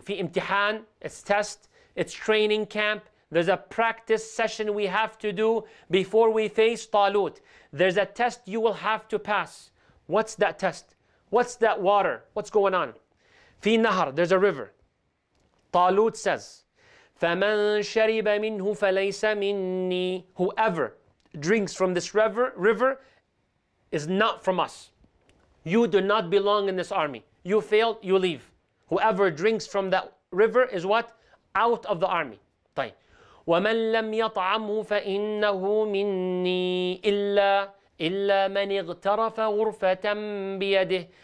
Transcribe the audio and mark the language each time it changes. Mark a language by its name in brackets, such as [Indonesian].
[Arabic] في امتحان, [English] it's test, it's training camp. There's a practice session we have to do before we face Talut. There's a test you will have to pass. What's that test? What's that water? What's going on? [Arabic] في نهر, [English] there's a river. Talut says, [Arabic] فَمَنْ شَرِبَ مِنْهُ فَلَيْسَ مِنِّي. [English] Whoever drinks from this river is not from us. You do not belong in this army. You failed, you leave. Whoever drinks from that river is what? Out of the army. [Arabic] طيب. وَمَنْ لَمْ يَطْعَمْهُ فَإِنَّهُ مِنِّي إِلَّا مَنْ اِغْتَرَفَ غُرْفَةً بِيَدِهِ.